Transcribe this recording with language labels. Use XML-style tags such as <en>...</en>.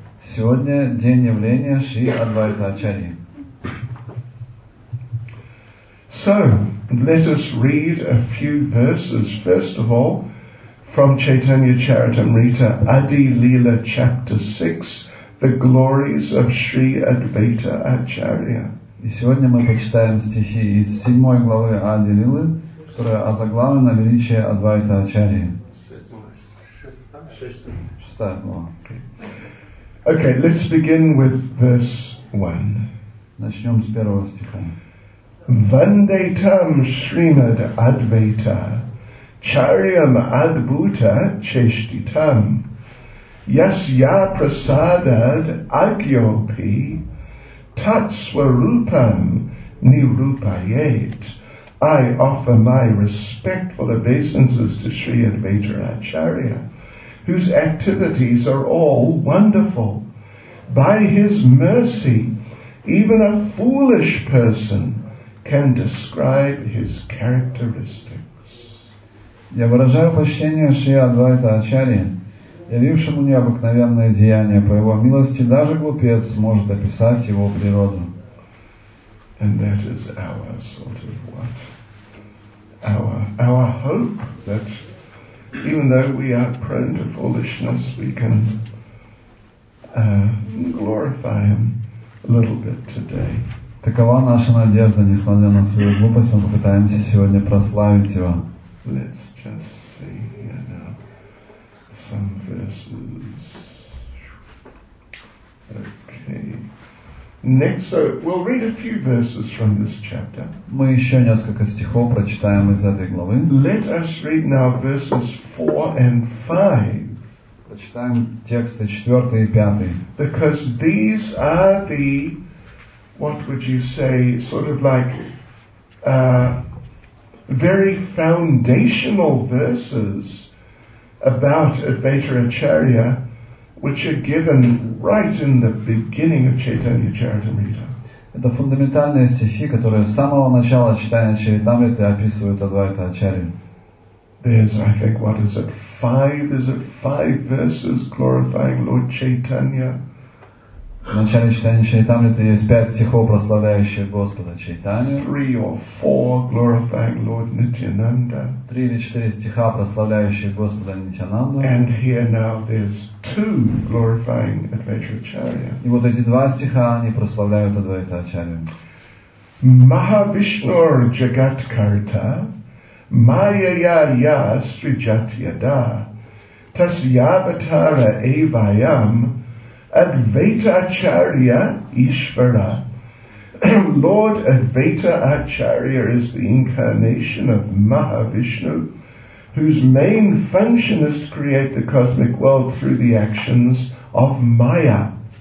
<ru>Сегодня день явления Шри Адвайта Ачарьи.</ru> <en>So, let us read a few verses, first of all, from Chaitanya Charitamrita, Adi Leela, chapter 6, The Glories of Sri Advaita Acharya.</en> <ru>И сегодня мы почитаем стихи из 7 главы Ади Лилы, которая озаглавлена «Величие Адвайта Ачарьи». 6 глава.</ru> <en>Okay, let's begin with verse 1.</en> <ru>Начнем с первого стиха.</ru> <sa>Вандетам Шримад Адвайта Чарьям Адбута Чештитам Ясья Прасадад Агьопи Tatswarupam nirupayet.</sa> <en>I offer my respectful obeisances to Sri Advaita Acharya, whose activities are all wonderful. By his mercy, even a foolish person can describe his characteristics.</en> <ru>Я выражаю почтение Шри Адвайта Ачарья, явившему необыкновенное деяние. По его милости даже глупец может описать его природу.</ru> <en>And that is our sort of what? Our hope that even though we are prone to foolishness, we can glorify him a little bit today.</en> <ru>Такова наша надежда, несмотря на свою глупость, мы попытаемся сегодня прославить его.</ru> <en>Let's just see. Some verses. Okay. Next, so we'll read a few verses from this chapter.</en> <ru>Мы еще несколько стихов прочитаем из этой главы.</ru> <en>Let us read now verses 4 and 5.</en> <ru>Прочитаем тексты 4 и 5.</ru> <en>Because these are the, what would you say, sort of like, very foundational verses about Advaita Acharya, which are given right in the beginning of Chaitanya Charitamrita.</en> <ru>Это фундаментальные стихи, которые с самого начала читания Чаритамриты описывают Адвайта Ачарью.</ru> <en>There's, I think, what is it, five verses glorifying Lord Chaitanya?</en> <ru>В начале читания Чаритамриты есть 5 стихов, прославляющих Господа Чайтанью.</ru> <en>3 or 4 glorifying Lord Nityananda.</en> <ru>3 или 4 стиха, прославляющих Господа Нитянанду.</ru> <en>And here now there's 2 glorifying Advaita Acharya.</en> <ru>И вот эти 2 стиха, они прославляют Адвайта Ачарью.</ru> <sa>Махавишнур Джагаткарта Майя Я Сриджатьяда Тасьяватара Эйваям Advaita Acharya Ishvara.</sa> <en>Lord Advaita Acharya is the incarnation of Mahavishnu, whose main function is to create the cosmic world through the actions of Maya.</en>